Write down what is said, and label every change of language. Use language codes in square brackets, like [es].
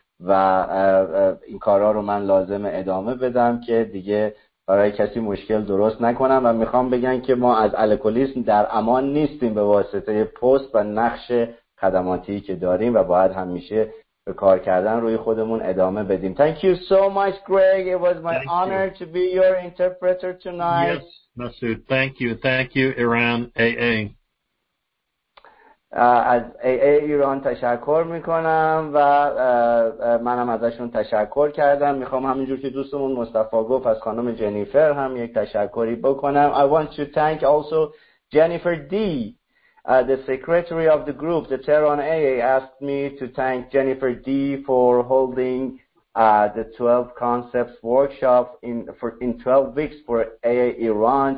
[fa] و این کارا رو من لازم ادامه بدم که دیگه برای کسی مشکل درست نکنم و میخوام بگن که ما از الکلیسم در امان نیستیم به واسطه پست و نقش خدماتی که داریم و باید همیشه به کار کردن روی خودمون ادامه بدیم. [en] Thank you so much, Greg. It was my honor to be your interpreter tonight. Yes, Masood. Thank you. Thank you, Iran AA. [fa] از AA ایران تشکر میکنم و منم ازشون تشکر کردم. میخوام همینجور که دوستمون مصطفی گفت از خانم جنیفر هم یک تشکری بکنم. [en] I want to thank also Jennifer D. The secretary of the group, the Tehran AA, asked me to thank Jennifer D. for holding the 12 concepts workshop in 12 weeks for AA Iran.